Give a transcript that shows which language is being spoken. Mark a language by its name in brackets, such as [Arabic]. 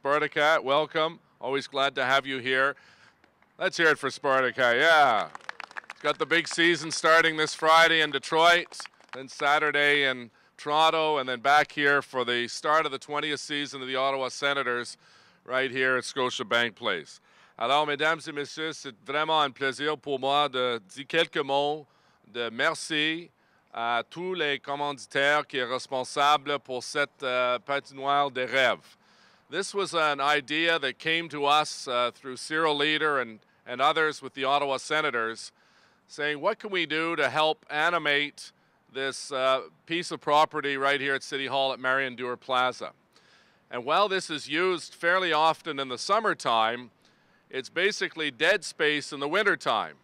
[English] Spartacat, welcome. Always glad to have you here. Let's hear it for Spartacat, yeah. It's got the big season starting this Friday in Detroit, then Saturday in Toronto, and then back here for the start of the 20th season of the Ottawa Senators right here at Scotiabank Place. [French] Alors, mesdames et messieurs, c'est vraiment un plaisir pour moi de dire quelques mots de merci à tous les commanditaires qui sont responsables pour cette patinoire des rêves. [English] This was an idea that came to us through Cyril Leeder and others with the Ottawa Senators, saying, what can we do to help animate this piece of property right here at City Hall at Marion Dewar Plaza? And while this is used fairly often in the summertime, it's basically dead space in the wintertime.